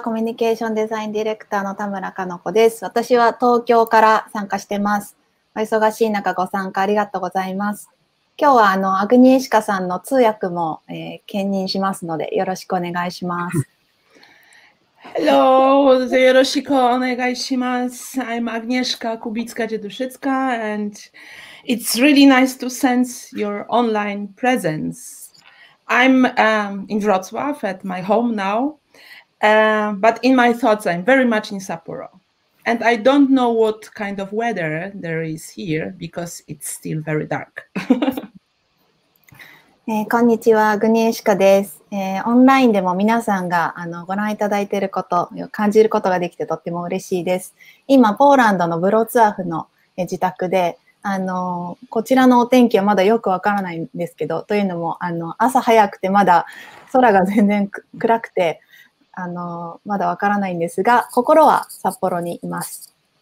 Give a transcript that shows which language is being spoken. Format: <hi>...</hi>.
<ja>コミュニケーションデザインディレクターの田村かの子です。私は東京から参加してます。お忙しい中ご参加ありがとうございます。今日はアグニーシカさんの通訳も、兼任しますのでよろしくお願いします。 Hello, よろしくお願いします。</ja> <en>I'm Agnieszka Kubicka Dziedzuszycka, and it's really nice to sense your online presence. I'm in Wrocław at my home now, but in my thoughts, I'm very much in Sapporo. And I don't know what kind of weather there is here because it's still very dark.</en> <ja>こんにちは、グニエシカです。オンラインでも皆さんがご覧いただいていること、感じることができてとっても嬉しいです。今、ポーランドのブロツアフの自宅で、こちらのお天気はまだよくわからないんですけど、というのも朝早くてまだ空が全然暗くて、まだわからないんですが、心は札幌にいます。</ja>